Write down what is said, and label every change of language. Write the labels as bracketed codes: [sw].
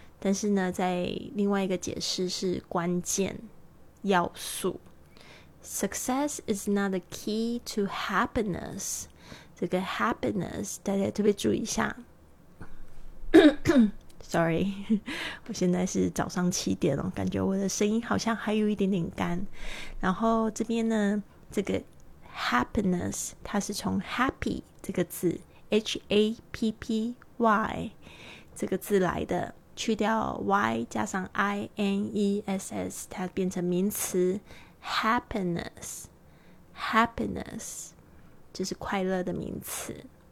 [zh] 但是呢，在另外一个解释是关键要素。 [en] Success is not the key to happiness， [zh] 这个 happiness 大家特别注意一下。 Sorry， 我现在是早上七点了，感觉我的声音好像还有一点点干。然后这边呢，这个 happiness 它是从 happy 这个字 H-A-P-P-Y 这个字来的，去掉 y 加上 i-n-e-s-s 它变成名词 happiness 就是快乐的名词。